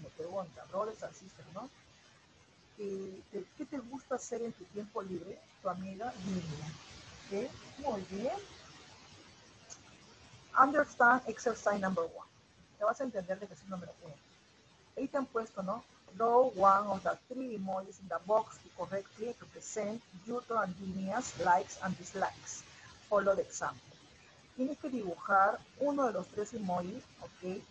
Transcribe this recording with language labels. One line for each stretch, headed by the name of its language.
Spanish: Me pregunta,
English: brothers and sisters,
Spanish: ¿no? ¿Qué te gusta hacer en tu tiempo libre, tu amiga Lilia? ¿Qué? Muy bien.
English: Understand exercise number one.
Spanish: Te vas a entender de que es el número uno. Ahí te han puesto, ¿no?
English: Draw one of the three emojis in the box to correctly represent Yuto and Dinia's likes and dislikes. Follow the example.
Spanish: Tienes que dibujar uno de los tres emojis, ¿ok?